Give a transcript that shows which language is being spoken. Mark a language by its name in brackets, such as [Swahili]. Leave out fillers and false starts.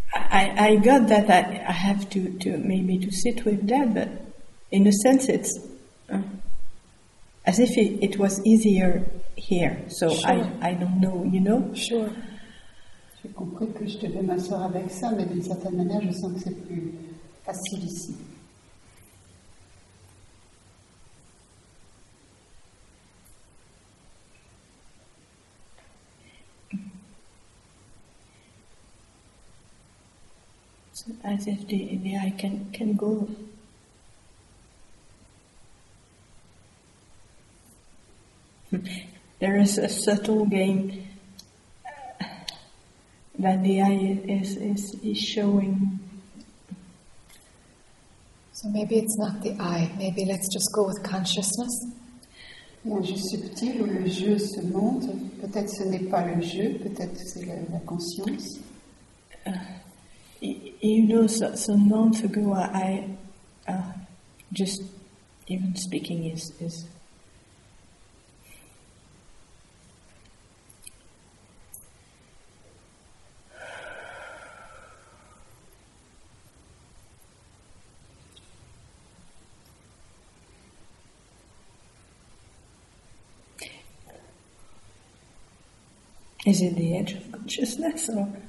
[English] I got that I have to maybe to sit with that, but in a sense it's as if it was easier here. So sure. I don't know, you know. Sure. [French] J'ai compris que je devais m'asseoir avec ça, mais d'une certaine manière, je sens que c'est plus facile ici. [English] As if the eye can go. There is a subtle game that the eye is showing. So maybe it's not the eye. Maybe let's just go with consciousness. [French] Un jeu subtil où le jeu se montre. Peut-être ce n'est pas le jeu. Peut-être c'est la conscience. [English] You know, some months ago, I just even speaking is it the edge of consciousness or?